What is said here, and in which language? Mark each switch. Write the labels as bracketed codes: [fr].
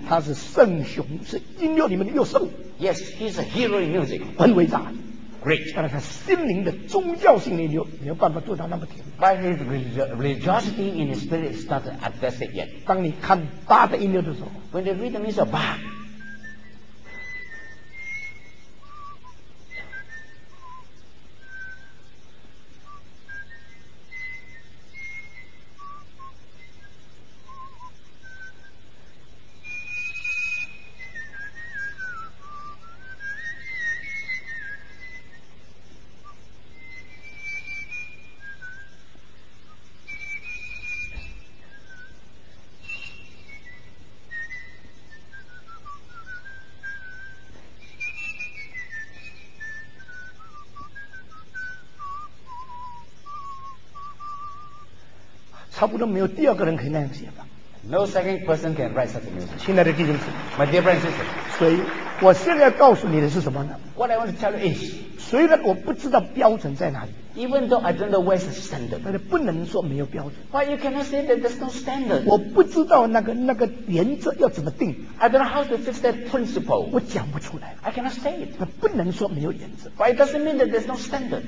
[zh] 他是圣雄，是音乐里面的又圣。 [en] Yes， he's a hero in music， [zh] 很伟大 [en] ，great。 [zh] 但是他心灵的宗教性的音乐没有办法做到那么甜。 [en] By his religiosity in his spirit is not at that stage yet。 [zh] 当你看八的音乐的时候 [en] ，when the rhythm is a bar。 [zh] 差不多没有第二个人可以那样写的。 [en] No second person can write such a music. [zh] 亲爱的弟兄姊妹 [en] ，My dear friends and sisters. [zh] 所以，我现在要告诉你的是什么呢 [en] ？What I want to tell you is. [zh] 虽然我不知道标准在哪里 [en] ，Even though I don't know where's the standard. [zh] 但是不能说没有标准。 [en] But you cannot say that there's no standard. [zh] 我不知道那个原则要怎么定。 [en] I don't know how to fix that principle. [zh] 我讲不出来。 [en] I cannot say it. [zh] 那不能说没有原则。 [en] But it doesn't mean that there's no standard.